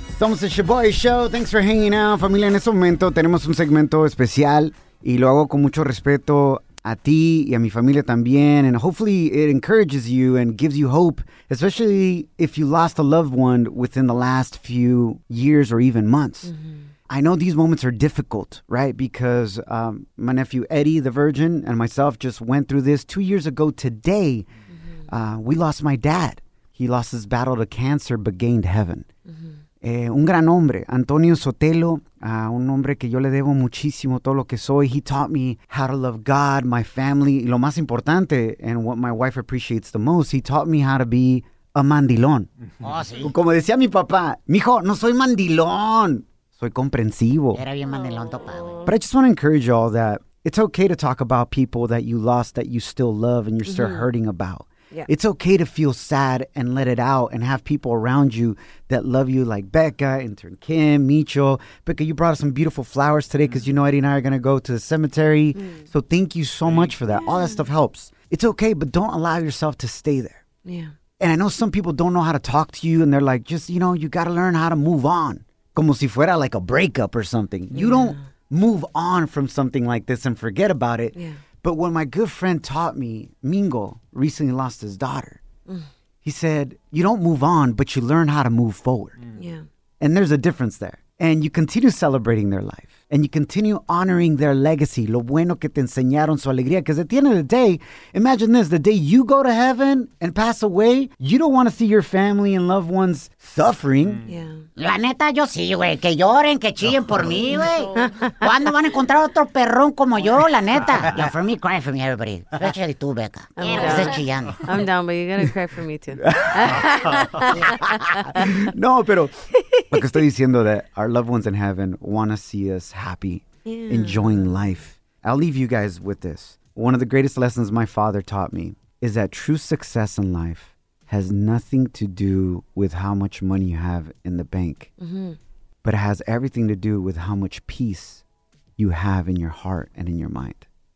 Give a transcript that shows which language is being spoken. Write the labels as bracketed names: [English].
[English] Somos a Shaboy Show. Thanks for hanging out. [Spanish] Familia, en este momento tenemos un segmento especial y lo hago con mucho respeto a ti y a mi familia también, [English] and hopefully it encourages you and gives you hope, especially if you lost a loved one within the last few years or even months. Mm-hmm. I know these moments are difficult, right? Because my nephew Eddie, the virgin, and myself just went through this 2 years ago today. Mm-hmm. We lost my dad. He lost his battle to cancer but gained heaven. [Spanish] Un gran hombre, Antonio Sotelo, un hombre que yo le debo muchísimo todo lo que soy. [English] He taught me how to love God, my family, [Spanish] y lo más importante, [English] and what my wife appreciates the most, he taught me how to be a mandilón. [Spanish] Oh, sí. Como decía mi papá, mijo, no soy mandilón, soy comprensivo. Era bien mandilón, topa, güey. [English] But I just want to encourage y'all that it's okay to talk about people that you lost, that you still love, and you're still hurting about. Yeah. It's okay to feel sad and let it out and have people around you that love you, like Becca, intern Kim, Micho. Becca, you brought us some beautiful flowers today because you know Eddie and I are going to go to the cemetery. Mm. So thank you so much for that. Yeah. All that stuff helps. It's okay, but don't allow yourself to stay there. Yeah. And I know some people don't know how to talk to you and they're like, just, you know, you got to learn how to move on. [Spanish] Como si fuera [English] like a breakup or something. Yeah. You don't move on from something like this and forget about it. Yeah. But what my good friend taught me, Mingo, recently lost his daughter. Mm. He said, you don't move on, but you learn how to move forward. Mm. Yeah. And there's a difference there. And you continue celebrating their life. And you continue honoring their legacy. [Spanish] Lo bueno que te enseñaron, su alegría. [English] Because at the end of the day, imagine this. The day you go to heaven and pass away, you don't want to see your family and loved ones suffering. Yeah. [Spanish] La neta, yo sí, güey. Que lloren, que chillen por mí, güey. ¿Cuándo van a encontrar otro perrón como yo, la neta? [English] Yeah, for me, crying for me, everybody. Especially [Spanish] tú, Becca. Estás chillando. [English] I'm down, but you're going to cry for me, too. [Spanish] No, pero... Lo que estoy diciendo [English] that our loved ones in heaven want to see us happy, enjoying life. I'll leave you guys with this. One of the greatest lessons my father taught me is that true success in life has nothing to do with how much money you have in the bank, but it has everything to do with how much peace you have in your heart and in your mind.